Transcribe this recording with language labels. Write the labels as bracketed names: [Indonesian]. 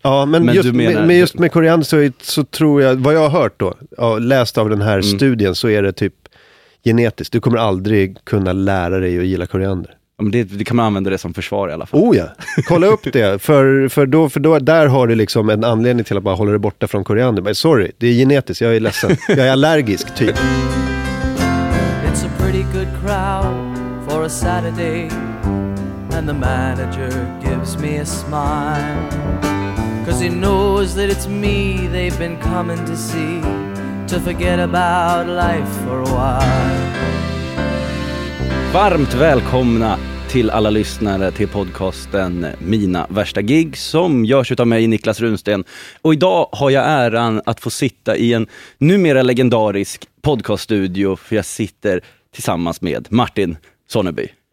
[Swedish] Ja, men just med koriander så tror jag, vad jag har hört då, läst av den här studien, så är det typ genetiskt. Du kommer aldrig kunna lära dig att gilla koriander. Ja, men det kan man använda det som försvar i alla fall. Oh ja, kolla upp det. För då, där har du liksom en anledning till att bara hålla dig borta från koriander. Men sorry, det är genetiskt, jag är ledsen. Jag är allergisk typ. [English] It's a pretty good crowd for a Saturday. And the manager gives me a smile. 'Cause he knows that it's me they've been coming to see. To forget about life for a while. [Swedish] Varmt välkomna till alla lyssnare till podcasten Mina värsta gig, som görs av mig, Niklas Runsten. Och idag har jag äran att få sitta i en numera legendarisk podcaststudio, för jag sitter tillsammans med Martin Sonneby.